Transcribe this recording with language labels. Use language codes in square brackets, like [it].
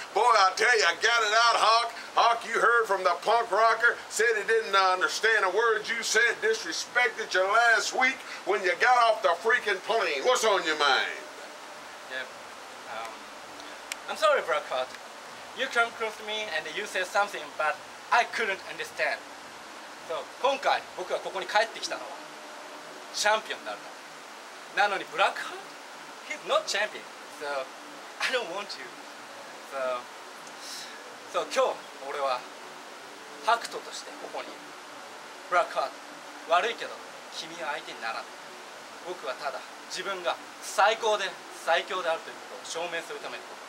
[en] Boy, I tell you, I got it out, Hackt. Hackt, you heard from the punk rocker, said he didn't understand a word you said, disrespected you last week when you got off the freaking plane. What's on your mind? I'm sorry, Blackheart. You come close to me and you said something, but I couldn't understand. [ja] So, 今回僕がここに帰ってきたのはチャンピオンになるため。なのにブラックハート? [en] He's not champion, so I don't want to. [ja] So, 今日俺はハクトとしてここにブラックハート、悪いけど君は相手にならない。僕はただ自分が最高で最強であるということを証明するために。